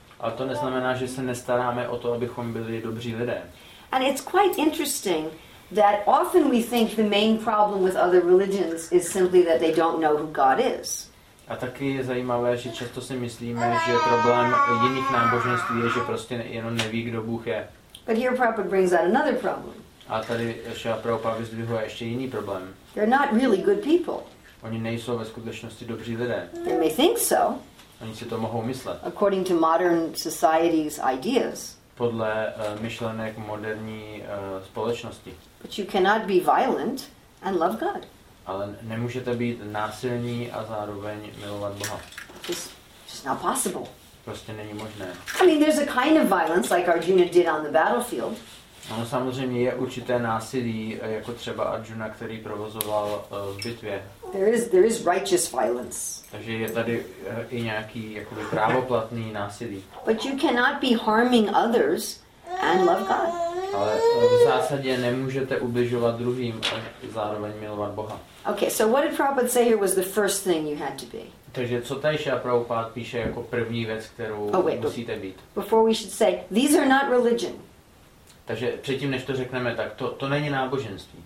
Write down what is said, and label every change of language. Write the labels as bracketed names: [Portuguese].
[Czech] Ale to neznamená, že se nestaráme o to, abychom byli dobří lidé. [English] And it's quite interesting that often we think the main problem with other religions is simply that they don't know who God is. [Czech] A taky je zajímavé, že často si myslíme, že problém jiných náboženství je, že prostě jenom neví, kdo Bůh je. [English] But here Prabhupada brings out another problem. [Czech] A tady Šrila Prabhupáda vyzdvihuje ještě jiný problém. [English] They're not really good people. [Czech] Oni nejsou ve skutečnosti dobří lidé. [English] They may think so. [Czech] Oni si to mohou myslet. [English] According to modern society's ideas. [Czech] Podle myšlenek moderní společnosti. [English] But you cannot be violent and love God. [Czech] Ale nemůžete být násilní a zároveň milovat Boha. [English] It's not possible. [Czech] Prostě není možné. [English] I mean, there's a kind of violence like Arjuna did on the battlefield. [Czech] Ano, samozřejmě je určité násilí, jako třeba Arjuna, který provozoval v bitvě. [English] There is righteous violence. [Czech] Takže je tady i nějaký jakoby právoplatný násilí. [English] But you cannot be harming others and love God. [Czech] Ale v zásadě nemůžete ubližovat druhým a zároveň milovat Boha. [English] Okay, so what did Prabhupada say here was the first thing you had to be? [Czech] Takže co tady Šrila Prabhupáda píše jako první věc, kterou musíte být? [English] Before we should say, these are not religion. [Czech] Takže předtím, než to řekneme, tak to není náboženství.